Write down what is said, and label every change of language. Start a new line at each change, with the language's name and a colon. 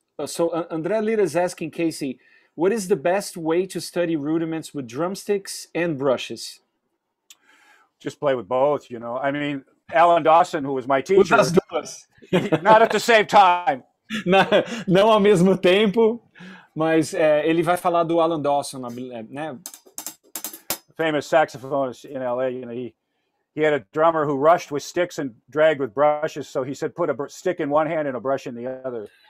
English: So, André Lira is asking, Casey, what is the best way to study rudiments with drumsticks and brushes? Just play with both, you know. I mean, Alan Dawson, who was my teacher...
Portuguese: Usa as duas.
English: Not at the same time.
Portuguese: Não ao mesmo tempo, mas ele vai falar do Alan Dawson, né?
English: Famous saxophonist in L.A., you know, he had a drummer who rushed with sticks and dragged with brushes, so he said, put a stick in one hand and a brush in the other.